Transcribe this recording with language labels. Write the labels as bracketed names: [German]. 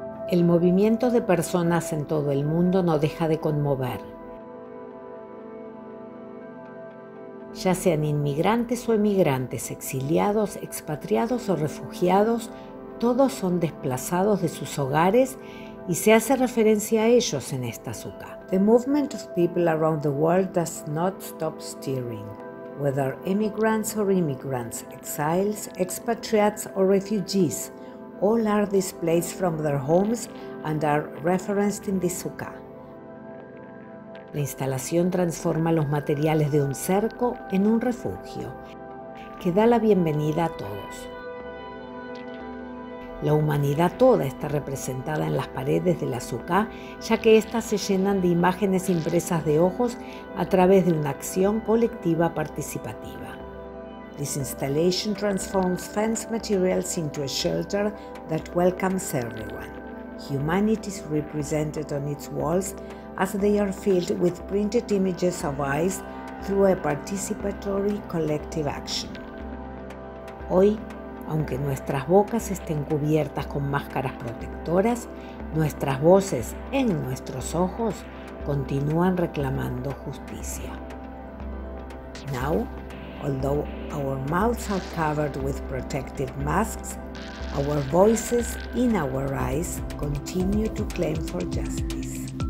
[Spanish] El movimiento de personas en todo el mundo no deja de conmover. Ya sean inmigrantes o emigrantes, exiliados, expatriados o refugiados, todos son desplazados de sus hogares y se hace referencia a ellos en esta suka. [English] The movement of people around the world does not stop stirring. Whether immigrants or immigrants, exiles, expatriates or refugees, all are displaced from their homes and are referenced in this suka. [Spanish] La instalación transforma los materiales de un cerco en un refugio que da la bienvenida a todos. La humanidad toda está representada en las paredes de la suka, ya que éstas se llenan de imágenes impresas de ojos a través de una acción colectiva participativa. [English] This installation transforms fence materials into a shelter that welcomes everyone. Humanity is represented on its walls as they are filled with printed images of eyes through a participatory collective action. [Spanish] Hoy, aunque nuestras bocas estén cubiertas con máscaras protectoras, nuestras voces en nuestros ojos continúan reclamando justicia. [English] Now, although our mouths are covered with protective masks, our voices in our eyes continue to claim for justice.